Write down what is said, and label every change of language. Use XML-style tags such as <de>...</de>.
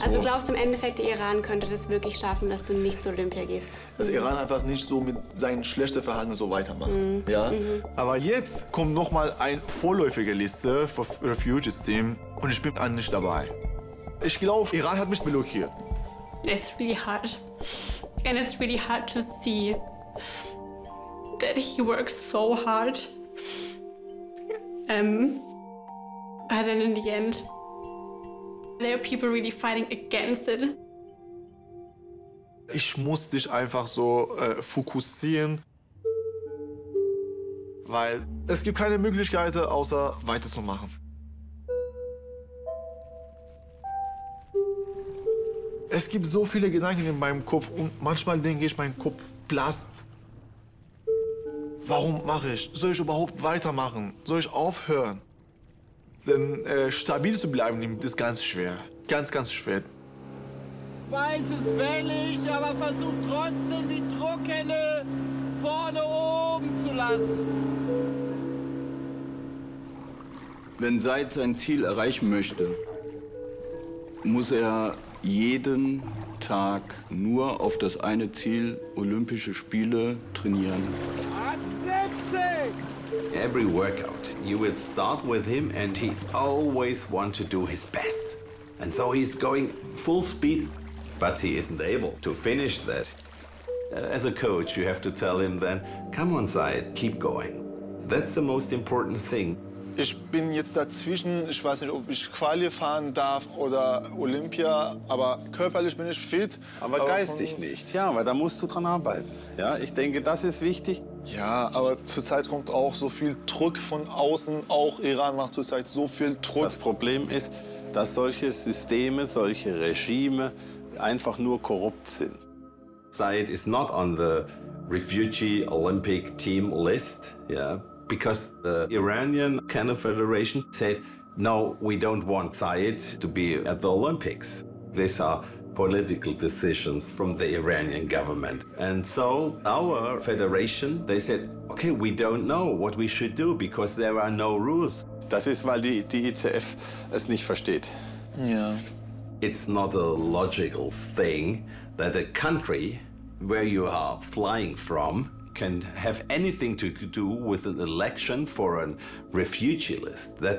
<de>Also glaubst du im Endeffekt, der Iran könnte das wirklich schaffen, dass du nicht zu Olympia gehst? Dass Iran einfach nicht so mit seinen schlechten Verhalten so weitermacht, ja? Mhm. Aber jetzt kommt noch mal eine vorläufige Liste für Refugee Team und ich bin auch nicht dabei. Ich glaube, Iran hat mich blockiert.</de> <en>It's really hard. And it's really hard to see that he works so hard. But then in the end, there are people really fighting against it.</en> <de>Ich muss dich einfach so fokussieren, weil es gibt keine Möglichkeit, außer weiterzumachen. Es gibt so viele Gedanken in meinem Kopf und manchmal denke ich, mein Kopf platzt. Warum mache ich? Soll ich überhaupt weitermachen? Soll ich aufhören? Denn stabil zu bleiben ist ganz schwer. Ganz, ganz schwer. Weiß es wellig, aber versuch trotzdem die Druckhände vorne oben zu lassen. Wenn Saeid sein Ziel erreichen möchte, muss er jeden Tag nur auf das eine Ziel, Olympische Spiele, trainieren.</de> <en>Every workout, you will start with him and he always wants to do his best. And so he's going full speed. But he isn't able to finish that. As a coach, you have to tell him then, come on, Saeid, keep going. That's the most important thing.</en> <de>Ich bin jetzt dazwischen. Ich weiß nicht, ob ich Quali fahren darf oder Olympia. Aber körperlich bin ich fit. Aber geistig nicht. Ja, weil da musst du dran arbeiten. Ja, ich denke, das ist wichtig. Ja, aber zurzeit kommt auch so viel Druck von außen. Auch Iran macht zurzeit so viel Druck. Das Problem ist, dass solche Systeme, solche Regime einfach nur korrupt sind.</de> <en>Saeid is not on the Refugee Olympic Team list. Yeah. Because the Iranian Canoe Federation said, no, we don't want Saeid to be at the Olympics. These are political decisions from the Iranian government. And so our federation, they said, okay, we don't know what we should do because there are no rules.</en> <de>Das ist, weil die ICF es nicht versteht.</de> <en>Yeah. It's not a logical thing that a country where you are flying from can have anything to do with an election for a refugee list.</en>